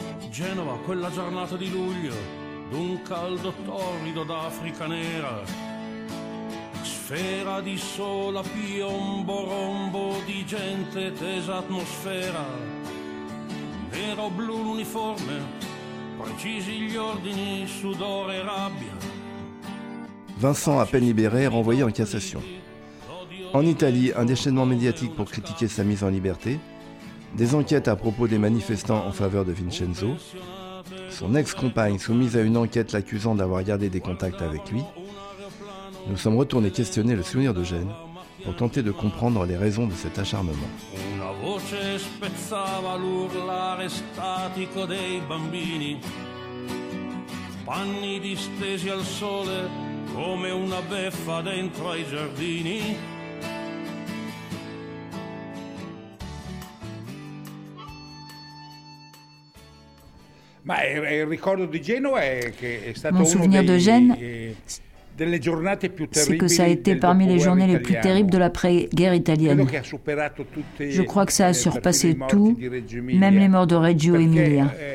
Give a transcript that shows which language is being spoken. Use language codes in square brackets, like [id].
[it] Genova, quella giornata di luglio, d'un caldo torrido d'Africa nera. Sfera di sola, piombo, rombo di gente, tesa atmosfera. Nero blu l'uniforme, precisi gli ordini, sudore e rabbia. [fr] Vincent, à peine libéré, est renvoyé en cassation. En Italie, un déchaînement médiatique pour critiquer sa mise en liberté, des enquêtes à propos des manifestants en faveur de Vincenzo, son ex-compagne soumise à une enquête l'accusant d'avoir gardé des contacts avec lui. Nous sommes retournés questionner le souvenir d'Eugène pour tenter de comprendre les raisons de cet acharnement. [it] Una voce spezzava l'urlare statico dei bambini, panni distesi al sole come una beffa dentro ai giardini. Ma il ricordo di Genova è che è stato [fr] un souvenir de Gênes. [it] Delle giornate più terribili, [fr] c'est que ça a été parmi les journées [it] italiano. [fr] Les plus terribles de l'après-guerre italienne. Je crois que ça a surpassé tout, même les morts de Reggio Emilia.